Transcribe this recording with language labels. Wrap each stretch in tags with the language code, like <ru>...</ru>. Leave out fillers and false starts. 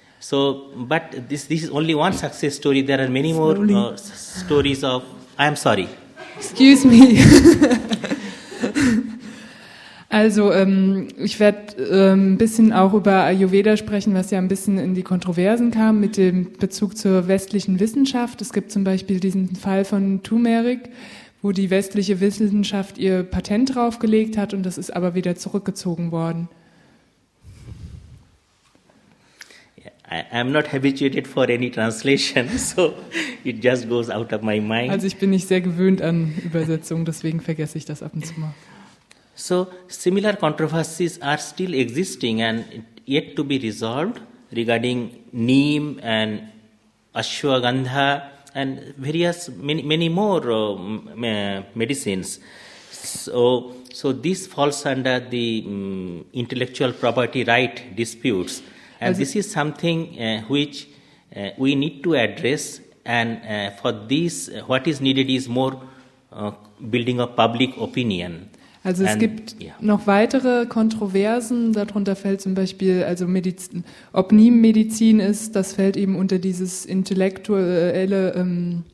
<en>So, but this is only one success story. There are many more stories of. I am sorry. Excuse me.</en> <de>Also, ich werde ein bisschen auch über Ayurveda sprechen, was ja ein bisschen in die Kontroversen kam mit dem Bezug zur westlichen Wissenschaft. Es gibt zum Beispiel diesen Fall von Turmeric, wo die westliche Wissenschaft ihr Patent draufgelegt hat und das ist aber wieder zurückgezogen worden.</de> <en>I'm not habituated for any translation, so it just goes out of my mind.</en> <de>Also ich bin nicht sehr gewöhnt an Übersetzungen, deswegen vergesse ich das ab und zu mal.</de> <en>So similar controversies are still existing and yet to be resolved regarding neem and ashwagandha and various many more medicines. So this falls under the intellectual property right disputes. And this is something which we need to address. And for this, what is needed is more building of public opinion.</en> <de>Also es gibt noch weitere Kontroversen, darunter fällt zum Beispiel, also Medizin, ob NIEM Medizin ist, das fällt eben unter dieses intellektuelle</de>